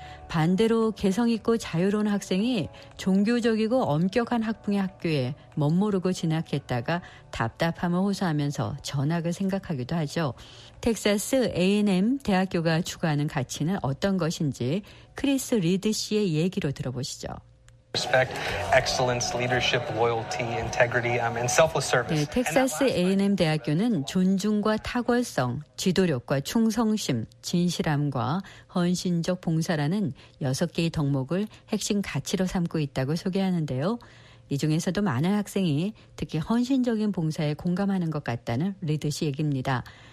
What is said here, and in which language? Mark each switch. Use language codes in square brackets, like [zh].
[ko] 반대로 개성 있고 자유로운 학생이 종교적이고 엄격한 학풍의 학교에 멋모르고 진학했다가 답답함을 호소하면서 전학을 생각하기도 하죠. 텍사스 A&M 대학교가 추구하는 가치는 어떤 것인지 크리스 리드 씨의 얘기로 들어보시죠. [en] Respect, excellence, leadership, loyalty, integrity, and selfless service. [ko] 네, 텍사스 A&M 대학교는 존중과 탁월성, 지도력과 충성심, 진실함과 헌신적 봉사라는 6개의 덕목을 핵심 가치로 삼고 있다고 소개하는데요. 이 중에서도 많은 학생이 특히 헌신적인 봉사에 공감하는 것 같다는 리드 씨 얘기입니다.